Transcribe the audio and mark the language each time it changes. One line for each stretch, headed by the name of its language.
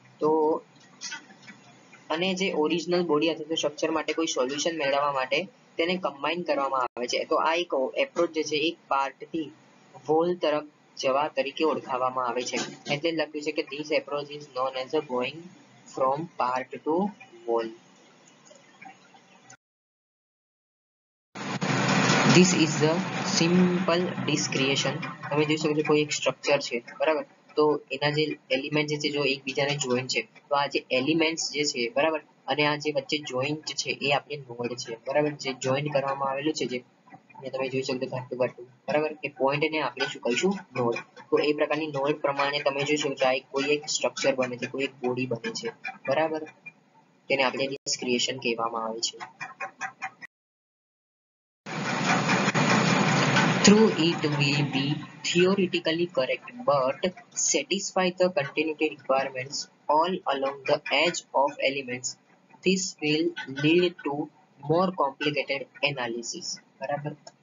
Gujarati: તો અને જે ઓરિજિનલ બોડી અથવા તો સ્ટ્રક્ચર માટે કોઈ સોલ્યુશન મેળવવા માટે તેને કમ્બાઈન કરવામાં આવે છે. તો આ એક એપ્રોચ જે છે એક પાર્ટથી વોલ તરફ જવા તરીકે ઓળખાવવામાં આવે છે.
English: એટલે લખ્યું છે કે this approach is known as a going from part to whole. This is the simple disc creation.
Gujarati: તમે જોઈ શકો છો કોઈ એક સ્ટ્રક્ચર છે, બરાબર, તો એના જે એલિમેન્ટ છે જો એકબીજાને જોઈન છે, તો આ જે એલિમેન્ટ જે છે, બરાબર, અને આ જે વચ્ચે જોઈન્ટ છે એ આપણે નોડ છે, બરાબર, જે જોઈન કરવામાં આવેલું છે, જે તમે જોઈ શકો છો ઘટું ઘટું, બરાબર, એ પોઈન્ટને આપણે શું કહીશું, નોડ. તો એ પ્રકારની નોડ પ્રમાણે તમે જોઈ શકો છો આ કોઈ એક સ્ટ્રક્ચર બને છે, કોઈ એક બોડી બને છે, બરાબર, તેને આપણે ડિસ્ક ક્રિએશન કહેવામાં આવે છે.
English: True, it will be theoretically correct, but satisfy the continuity requirements all along the edge of elements. This will lead to more complicated analysis.
Gujarati: બરાબર.